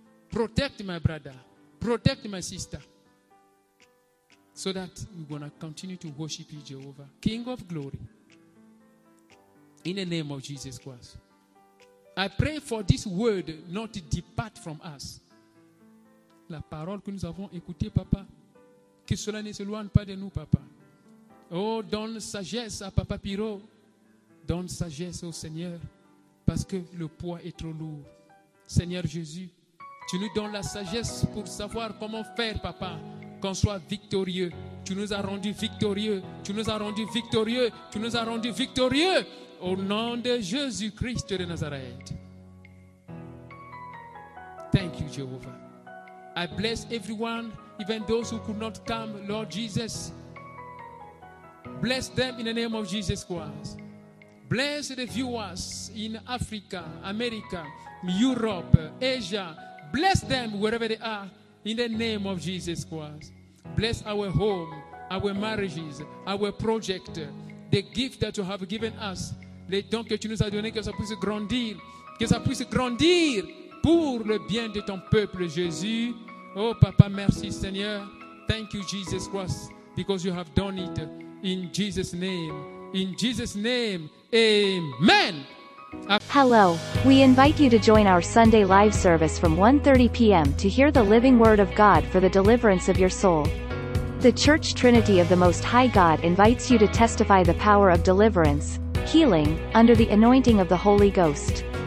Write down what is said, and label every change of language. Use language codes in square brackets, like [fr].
[en] Protect my brother. Protect my sister. So that we're going to continue to worship you, Jehovah, King of glory. In the name of Jesus Christ. I pray for this word not to depart from us. [fr] La parole que nous avons écoutée, Papa, que cela ne s'éloigne pas de nous, Papa. Oh, donne sagesse à Papa Piro. Donne sagesse au Seigneur, parce que le poids est trop lourd. Seigneur Jésus, tu nous donnes la sagesse pour savoir comment faire, Papa, qu'on soit victorieux. Tu nous as rendus victorieux. Tu nous as rendus victorieux. Tu nous as rendus victorieux. Au nom de Jésus-Christ de Nazareth. [en] Thank you, Jehovah. I bless everyone, even those who could not come, Lord Jesus. Bless them in the name of Jesus Christ. Bless the viewers in Africa, America, Europe, Asia. Bless them wherever they are in the name of Jesus Christ. Bless our home, our marriages, our project, the gift that you have given us. [fr] Les dons que tu nous as donnés, que ça puisse grandir. Que ça puisse grandir pour le bien de ton peuple, Jésus. Oh, Papa, merci, Seigneur. [en] Thank you, Jesus Christ, because you have done it. In Jesus' name. In Jesus' name. Amen. Hello. We invite you to join our Sunday live service from 1:30 p.m. to hear the living word of God for the deliverance of your soul. The Church Trinity of the Most High God invites you to testify the power of deliverance, healing, under the anointing of the Holy Ghost.